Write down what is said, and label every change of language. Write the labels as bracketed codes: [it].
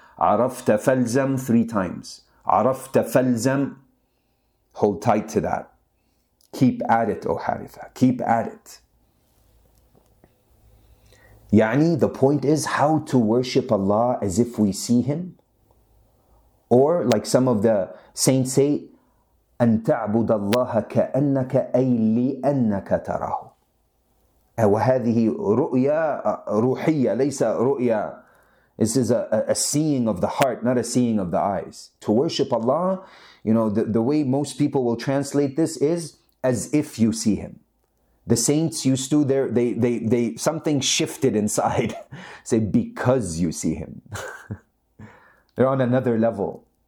[ar] عَرَفْتَ فَالْزَمْ. [en] Three times. [ar] عَرَفْتَ فَالْزَمْ. [en] Hold tight to that. Keep at it, O Haritha. Keep at it. يعني, the point is how to worship Allah as if we see Him. Or like some of the saints say, [ar] أن تعبد الله كأنك أي لأنك تراه. وهذه رؤيا روحية ليس رؤيا. [en] This is a seeing of the heart, not a seeing of the eyes. To worship Allah, you know, the way most people will translate this is as if you see Him. The saints used to, they something shifted inside. Say, because you see Him. They're on another level.